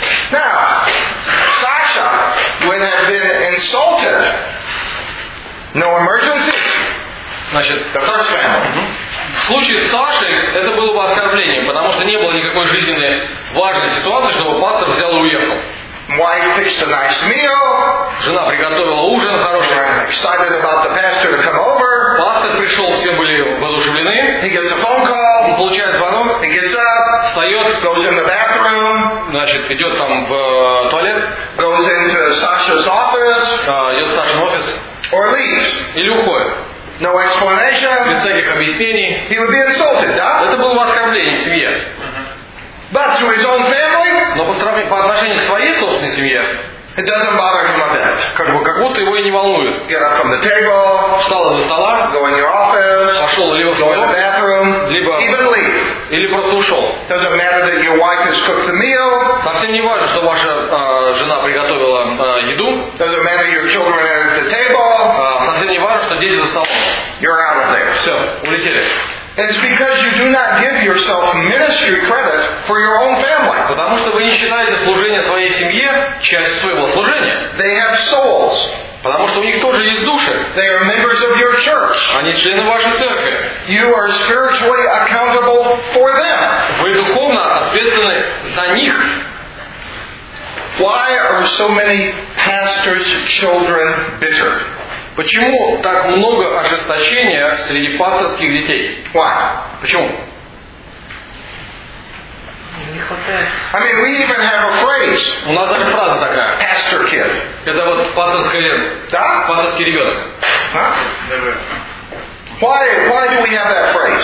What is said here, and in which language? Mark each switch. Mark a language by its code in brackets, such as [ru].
[en] Now, Sasha would have been insulted. No emergency. [ru] Значит, [en] the first family. [ru] В случае с Сашей это было бы оскорблением, потому что не было никакой жизненной важной ситуации, чтобы пастор взял и уехал. [en] Wife fixed a nice meal. [ru] Жена приготовила ужин хороший. [en] I'm excited about the pastor to come over. [ru] Пастор пришел, все были воодушевлены. [en] He gets a phone call. [ru] Он получает звонок. [en] He gets up. [ru] Встает. [en] Goes in the bathroom. [ru] Значит, идет там в туалет. [en] Goes into Sasha's office. [ru] Идет в Сашин офис. [en] Or leaves. [ru] Или уходит. [en] No explanation. [ru] Без всяких объяснений. [en] He would be insulted, [ru] да? Это было бы оскорбление в семье. [en] But to his own family, [ru] но по отношению к своей собственной семье, [en] it doesn't bother him a bit. [ru] Как бы, как будто его и не волнует. [en] Get up from the table, [ru] встал из-за стола, [en] go in your office, [ru] пошел либо [en] go in the bathroom, [ru] либо [en] even leave. [ru] Или просто ушел. [en] Doesn't matter that your wife has cooked the meal. [ru] Совсем не важно, что ваша жена приготовила еду. [en] Doesn't matter your children are at the table. [ru] Совсем не важно, что дети за столом. [en] You're out of there. [ru] Все, улетели. [en] It's because you do not give yourself ministry credit for your own family. [ru] Потому что вы не считаете служение своей семье частью своего служения. [en] They have souls. [ru] Потому что у них тоже есть души. [en] They are members of your church. [ru] Они члены вашей церкви. [en] You are spiritually accountable for them. [ru] Вы духовно ответственны за них. [en] Why are so many pastors' children bitter? [ru] Почему так много ожесточения среди пасторских детей? [en] Why? [ru] Почему? [en] I mean, we even have a phrase. [ru] У нас даже фраза такая. [en] Pastor kid. [ru] Это вот пасторский лет. Да? Пасторский ребенок. Huh? [en] Why do we have that phrase?